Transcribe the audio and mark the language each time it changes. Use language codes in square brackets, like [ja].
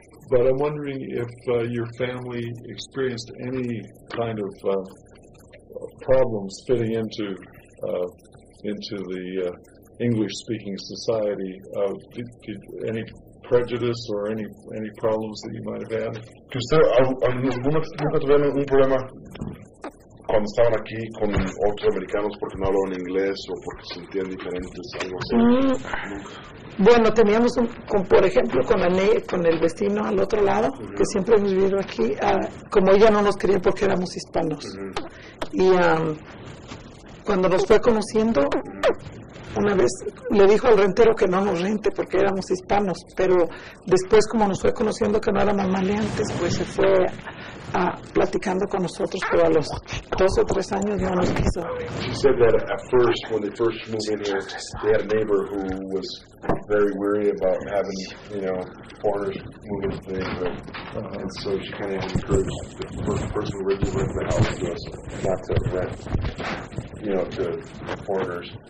[en] But I'm wondering if your family experienced any kind of problems fitting into the English-speaking society. Did any prejudice or any problems that you might have had? [es] ¿Que usted nunca tuvieron un problema cuando estaban aquí con otros americanos porque no hablaban inglés o porque sentían diferentes? Bueno, teníamos por ejemplo con el vecino al otro lado, que siempre hemos vivido aquí, como ella no nos quería porque éramos hispanos. Y cuando nos fue conociendo, una vez le dijo al rentero que no nos rente porque éramos hispanos, pero después, como nos fue conociendo que no éramos maleantes, pues se fue a platicando con nosotros, pero a los dos o tres años no nos quiso. [en] She said that at first, when they first moved in here, they had a neighbor who was very weary about having, you know, foreigners moving into the neighborhood. And so she kind of encouraged the first person who originally rented the house to us not to rent, you know, to foreigners.